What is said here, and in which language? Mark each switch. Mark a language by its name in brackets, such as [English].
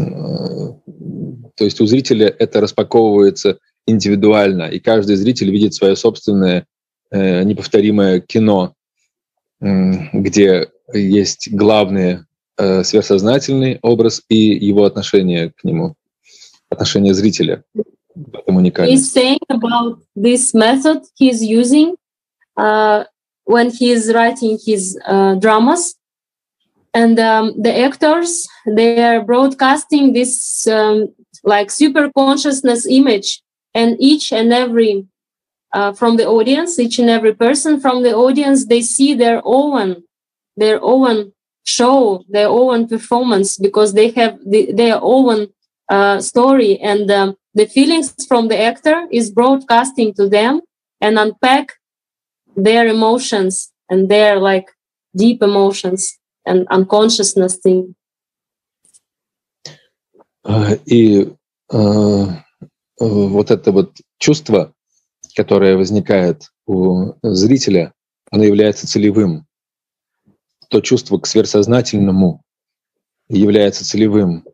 [Russian] То есть у зрителя это распаковывается индивидуально, и каждый зритель видит свое собственное неповторимое кино, где есть главный сверхсознательный образ и его отношение к нему, отношение зрителя. [English] He's saying about this method he's using when he's writing his dramas, and the actors, they are broadcasting this like super consciousness image, and each and every from the audience, each and every person from the audience, they see their own show, their own performance, because they have their own story, and the feelings from the actor is broadcasting to them and unpack their emotions and their like deep emotions and unconsciousness thing. [Russian] И вот это вот чувство, которое возникает у зрителя, оно является целевым. То чувство к сверхсознательному является целевым.